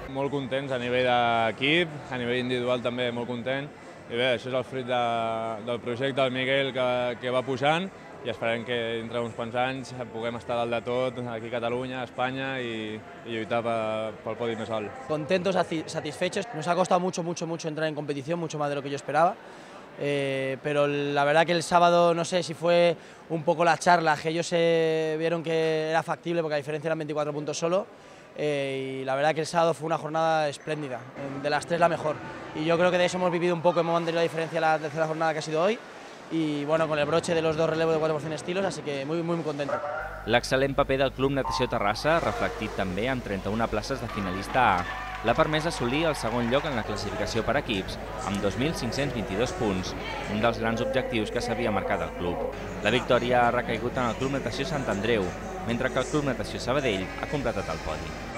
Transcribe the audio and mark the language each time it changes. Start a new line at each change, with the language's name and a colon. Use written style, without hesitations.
Catalan: Molt contents a nivell d'equip, a nivell individual també molt content. I bé, això és el fruit del projecte del Miguel que va pujant i esperem que dintre d'uns quants anys puguem estar dalt de tot aquí a Catalunya, a Espanya i lluitar pel podi més alt.
Spanish: Contentos, satisfechos. Nos ha costado mucho entrar en competición, mucho más de lo que yo esperaba. Pero la verdad que el sábado, no sé si fue un poco la charla, que ellos vieron que era factible porque la diferencia eran 24 puntos solo. Y la verdad que el sábado fue una jornada espléndida, de las 3 la mejor. Y yo creo que de eso hemos vivido un poco, hemos mantenido la diferencia la tercera jornada que ha sido hoy. Y bueno, con el broche de los 2 relevos de 4x100 estilos, así que muy, muy, muy contento.
Catalan: L'excel·lent paper del Club Natació Terrassa, reflectit també en 31 places de finalista A, l'ha permès assolir el segon lloc en la classificació per equips, amb 2.522 punts, un dels grans objectius que s'havia marcat el club. La victòria ha recaigut en el Club Natació Sant Andreu, mentre que el Club Natació Sabadell ha completat el podi.